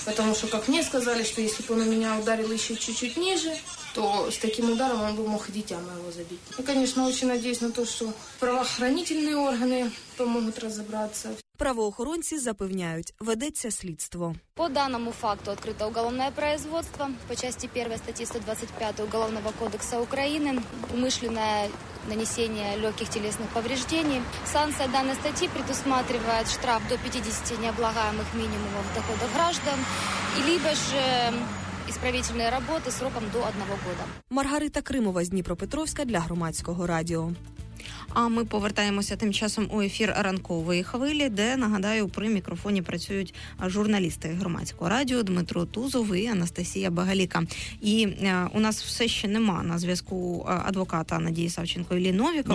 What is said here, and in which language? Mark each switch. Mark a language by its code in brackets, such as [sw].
[uk] Тому що, як мені сказали, що якщо б він мене ударив ще трохи ниже, то з таким ударом він би мог дитя моєго забити. І, звісно, дуже сподіваюся на те, що правоохоронні органи допоможуть розібратися. Правоохоронці запевняють, ведеться слідство. По даному факту відкрите [ru] уголовне производство [uk] по частині 1 статті 125 Уголовного кодексу України. [ru] На нанесение легких телесных повреждений. Санкция данной статьи предусматривает штраф до 50 необлагаемых минимумов дохода граждан, либо же исправительные работы сроком до 1 года. [uk] Маргарита Кримова з Дніпропетровська для громадського радіо. А ми повертаємося тим часом у ефір «Ранкової хвилі», де, нагадаю, при мікрофоні працюють журналісти громадського радіо Дмитро Тузов і Анастасія Багаліка. І у нас все ще нема на зв'язку адвоката Надії Савченко Іллі Новікова.